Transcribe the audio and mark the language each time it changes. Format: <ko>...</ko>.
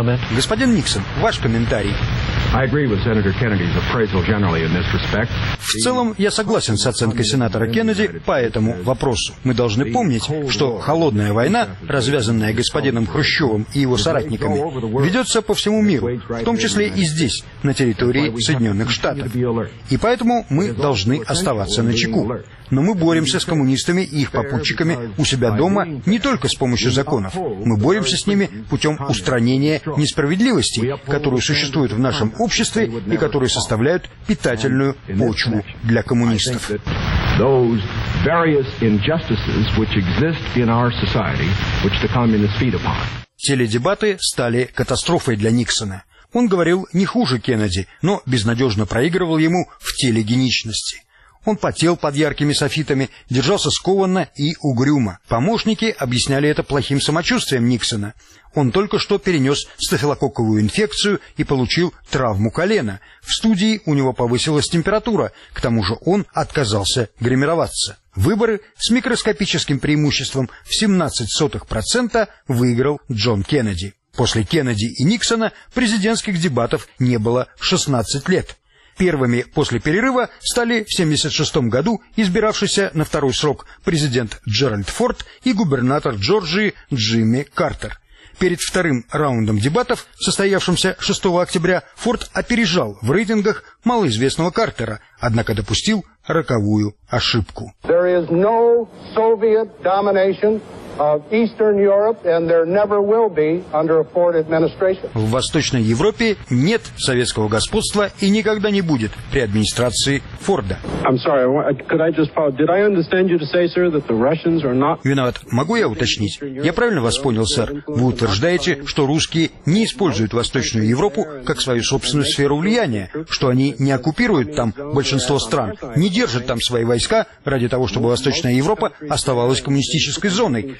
<ru>Господин Никсон, ваш комментарий.</ru> <en>I agree with Senator Kennedy's appraisal generally in this respect.</en> <ru>В целом, я согласен с оценкой сенатора Кеннеди по этому вопросу. Мы должны помнить, что холодная война, развязанная господином Хрущевым и его соратниками, ведется по всему миру, в том числе и здесь, на территории Соединенных Штатов. И поэтому мы должны оставаться начеку. Но мы боремся с коммунистами и их попутчиками у себя дома не только с помощью законов. Мы боремся с ними путем устранения несправедливостей, которые существуют в нашем обществе и которые составляют питательную почву для коммунистов.</ru> <en>Those various injustices which exist in our society, which the communists feed upon.</en> <ru>Теледебаты стали катастрофой для Никсона. Он говорил не хуже Кеннеди, но безнадежно проигрывал ему в телегеничности. Он потел под яркими софитами, держался скованно и угрюмо. Помощники объясняли это плохим самочувствием Никсона. Он только что перенес стафилококковую инфекцию и получил травму колена. В студии у него повысилась температура, к тому же он отказался гримироваться. Выборы с микроскопическим преимуществом в 0,17% выиграл Джон Кеннеди. После Кеннеди и Никсона президентских дебатов не было 16 лет. Первыми после перерыва стали в 1976 году избиравшийся на второй срок президент Джеральд Форд и губернатор Джорджии Джимми Картер. Перед вторым раундом дебатов, состоявшимся 6 октября, Форд опережал в рейтингах малоизвестного Картера, однако допустил роковую ошибку.</ru> <en>There is no Soviet domination of Eastern Europe, and there never will be under a Ford administration.</en> <ru>В Восточной Европе нет советского господства и никогда не будет при администрации Форда.</ru> <en>I'm sorry, could I just follow? Did I understand you to say, sir, that the Russians are not...</en> <ru>Виноват. Могу я уточнить? Я правильно вас понял, сэр? Вы утверждаете, что русские не используют Восточную Европу как свою собственную сферу влияния, что они не оккупируют там большинство стран, не держат там свои войска ради того, чтобы Восточная Европа оставалась коммунистической зоной,</ru>